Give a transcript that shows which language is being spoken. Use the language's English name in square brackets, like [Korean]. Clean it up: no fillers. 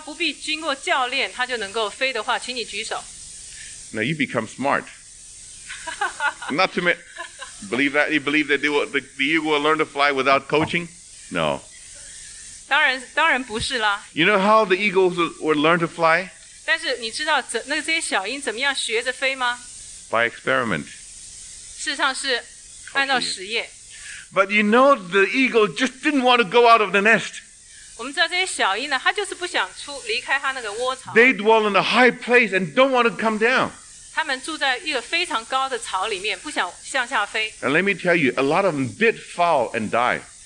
[Chinese] 如果你相信这些小鹰它不必经过教练，它就能够飞的话，请你举手。 [English] Now you become smart. Not to me. Believe that you believe that the eagle will learn to fly without coaching? No. [Chinese] 当然不是啦。 [English] You know how the eagles will learn to fly? [Chinese] 但是你知道这些小鹰怎么样学着飞吗？ [English] By experiment. [Chinese] 事实上是按照实验。 [English] But you know the eagle just didn't want to go out of the nest. [Chinese] 我们知道这些小鹰呢，它就是不想离开它那个窝巢。 [English] They dwell in a high place and don't want to come down. [Chinese] 他们住在一个非常高的巢里面，不想向下飞。 [English] And let me tell you, a lot of them did fall and die.